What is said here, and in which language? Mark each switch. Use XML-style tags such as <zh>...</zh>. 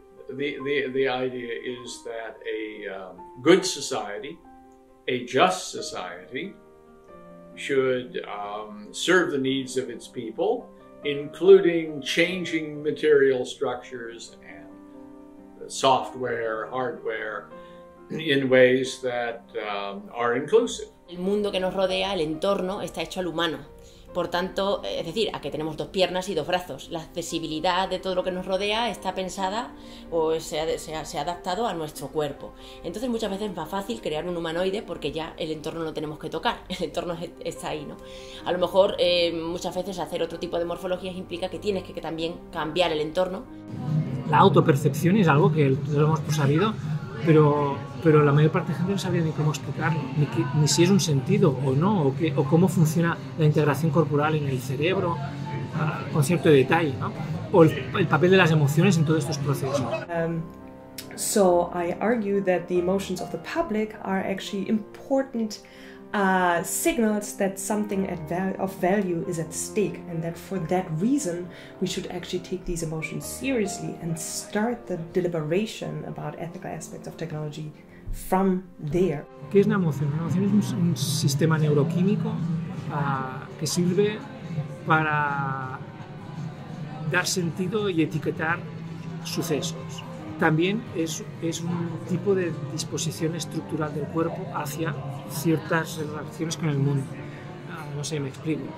<en>The idea is that a good society, a just society, should serve the needs of its people, including changing material structures and software, hardware, in ways that are inclusive.</en> <es>El mundo que nos rodea, el entorno, está hecho al humano. Por tanto, es decir, a que tenemos dos piernas y dos brazos. La accesibilidad de todo lo que nos rodea está pensada o se ha adaptado a nuestro cuerpo. Entonces, muchas veces es más fácil crear un humanoide porque ya el entorno no tenemos que tocar, el entorno está ahí, ¿no? A lo mejor, muchas veces, hacer otro tipo de morfologías implica que tienes que también cambiar el entorno. La autopercepción es algo que todos hemos sabido, pero la mayor parte de la gente no sabía ni cómo explicarlo, ni si es un sentido o no, o cómo funciona la integración corporal en el cerebro, con cierto detalle, ¿no? O el papel de las emociones en todos estos procesos.</es> <en>So I argue that the emotions of the public are actually important signals that something of value is at stake, and that for that reason we should actually take these emotions seriously and start the deliberation about ethical aspects of technology from there.</en> <es>¿Qué es una emoción? Una emoción es un sistema neuroquímico que sirve para dar sentido y etiquetar sucesos. También es un tipo de disposición estructural del cuerpo hacia ciertas relaciones con el mundo. No sé, me explico.</es>